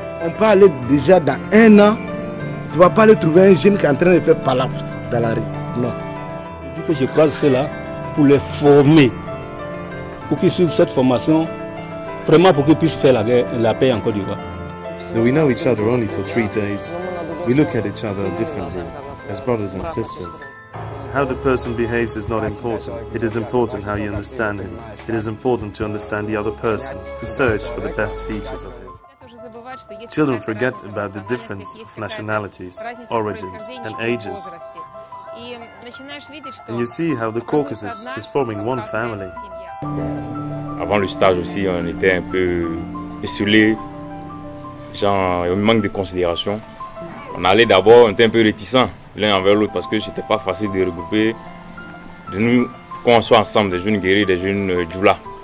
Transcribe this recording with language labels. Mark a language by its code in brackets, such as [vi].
[fr] On peut aller déjà dans un an, tu ne vas pas aller trouver un jeune qui est en train de faire palap dans la rue. Non. Que je croise cela pour les former, pour qu'ils suivent cette formation, vraiment pour qu'ils puissent faire la paix en Côte d'Ivoire. [en] We know each other only for 3 days. We look at each other differently, as brothers and sisters. How the person behaves is not important. It is important how you understand him. It is important to understand the other person, to search for the best features of him. Children forget about the difference of nationalities, origins, and ages. And you see how the Caucasus is forming one family. [fr] Avant le stage aussi, on était un peu isolés. Genre, on manque de considération. On allait d'abord, on était un peu réticents l'un envers l'autre parce que c'était pas facile de regrouper, de nous, qu'on soit ensemble, des jeunes guéris, des jeunes djoula.